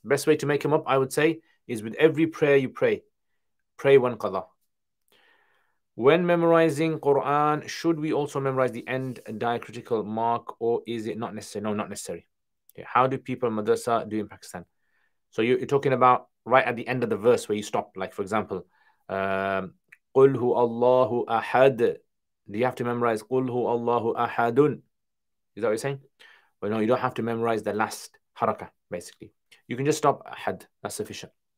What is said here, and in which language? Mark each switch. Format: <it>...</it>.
<en>Best way to make them up, I would say, is with every prayer you pray. Pray one qada. When memorizing Quran, should we also memorize the end diacritical mark, or is it not necessary? No, not necessary. Okay. How do people in madrasa do in Pakistan? So you're talking about right at the end of the verse where you stop. Like, for example,</en> <ar>قُلْ هُوَ أَللَّهُ أَحَدُ.</ar> <en>Do you have to memorize</en> <ar>قُلْ هُوَ أَللَّهُ أَحَدٌ?</ar> <en>Is that what you're saying? Well, no, you don't have to memorize the last haraka, basically. You can just stop أحد. That's sufficient.</en>